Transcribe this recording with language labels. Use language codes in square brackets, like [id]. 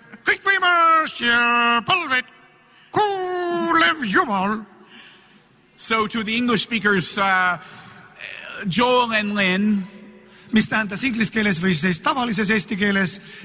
[et] Kõik võimas ja palved kuulev Jumal. [en] So to the English speakers, Joel and Lin. [et] Mis tähendas inglise keeles või siis tavalises eesti keeles.